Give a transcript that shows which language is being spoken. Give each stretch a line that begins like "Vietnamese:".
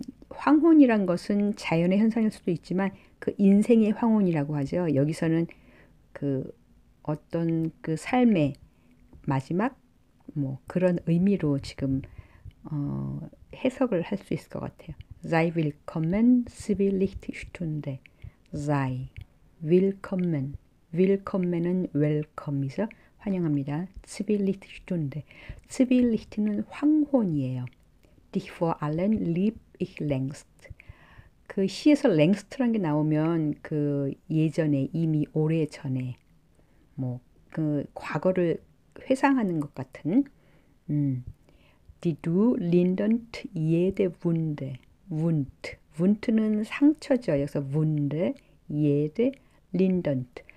Korean: 황혼이란 것은 자연의 현상일 수도 있지만 그 인생의 황혼이라고 하죠. 여기서는 그 어떤 그 삶의 마지막 뭐 그런 의미로 지금 해석을 할수 있을 것 같아요.
German: Sei willkommen, sie will nicht stunde. Sei willkommen.
Korean: Willkommen은 welcome이죠. 환영합니다.
German: Zwielicht Stunde.
Korean: Zwielicht는 황혼이에요.
German: Dich vor allen lieb ich längst.
Korean: 그 시에서 längst라는 게 나오면 그 예전에 이미 오래 전에 뭐그 과거를 회상하는 것 같은
German: Die du lindernd jede Wunde.
Korean: Wund는 상처죠. 여기서
German: Wunde, jede, lindernd.